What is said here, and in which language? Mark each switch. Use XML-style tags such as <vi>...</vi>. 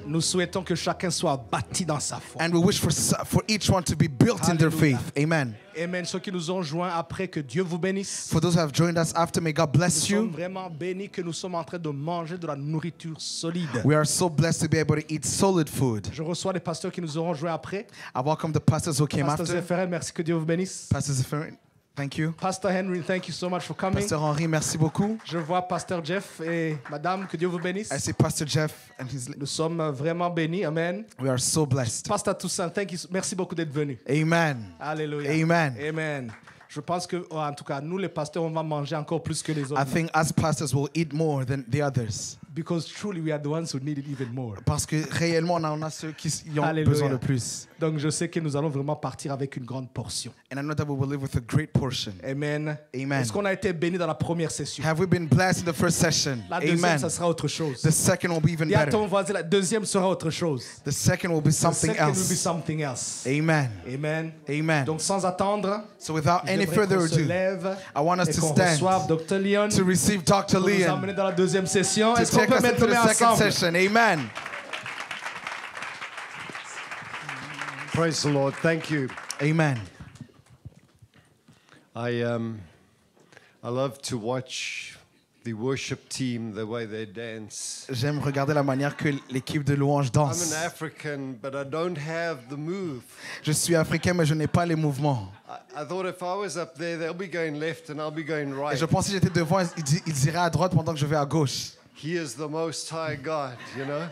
<fr>Nous souhaitons que chacun soit bâti dans sa foi.</fr> <en>And we wish for each one to be built. Alleluia. In their faith. Amen. Amen.</en> <fr>Ceux qui nous ont joints après, que Dieu vous bénisse.</fr> <en>For those who have joined us after, may God bless</en> <fr>you. Nous sommes vraiment bénis que nous sommes en train de manger de la nourriture solide.</fr> <en>We are so blessed to be able to eat solid food.</en> <fr>Je reçois les pasteurs qui nous auront joints après.</fr> <en>I welcome the pastors who came after.</en> <fr>Pasteur Zéphérin, merci, que Dieu vous bénisse.</fr> <en>Pastor Zéphérin. Thank you. Pastor Henry, thank you so much for coming.</en> <fr>Pastor Henry, merci beaucoup. Je vois Pastor Jeff et Madame, que Dieu vous bénisse.</fr> <en>I see Pastor Jeff and his.</en> <fr>Nous sommes vraiment bénis. Amen.</fr> <en>We are so blessed.</en> <fr>Pastor Toussaint,</fr> <en>thank you.</en> <fr>Merci beaucoup d'être venu. Amen. Alléluia. Amen. Amen. Je pense que, en tout cas, nous les pasteurs, on va manger encore plus que les autres.</fr> <en>I think us pastors will eat more than the others. Because truly we are the ones who need it even more.</en> <fr>Parce que réellement, on a ceux qui y ont Alleluia. Besoin le plus. Donc je sais que nous allons vraiment partir avec une grande portion.</fr> <en>And I know that we will live with a great portion. Amen. Amen.</en> <fr>Est-ce qu'on a été bénis dans la première session?</fr> <en>Have we been blessed in the first session?</en> <fr>La deuxième, Amen. Ça sera autre chose.</fr> <en>The second will be even better.</en> <fr>Et à ton voisin, la deuxième sera autre chose.</fr> <en>The second will be something else. The second will be something else. Amen. Amen. Amen.</en> <fr>Donc sans attendre,</fr> <en>so without any further ado, I want us to stand Dr. Leon to receive Dr. Leon.</en> <fr>Nous amener dans la deuxième session. Amen.</fr> <en>Praise the Lord. Thank you. Amen. I love to watch the worship team, the way they dance.</en> <fr>J'aime regarder la manière que l'équipe de louange danse.</fr> <en>I'm an African, but I don't have the move.</en> <fr>Je suis africain, mais je n'ai pas les mouvements.</fr> <en>I thought if I was up there, they'll be going left and I'll be going right.</en> <fr>Et je pensais que j'étais devant, ils iraient à droite pendant que je vais à gauche.</fr> <en>He is the Most High God, you know.</en>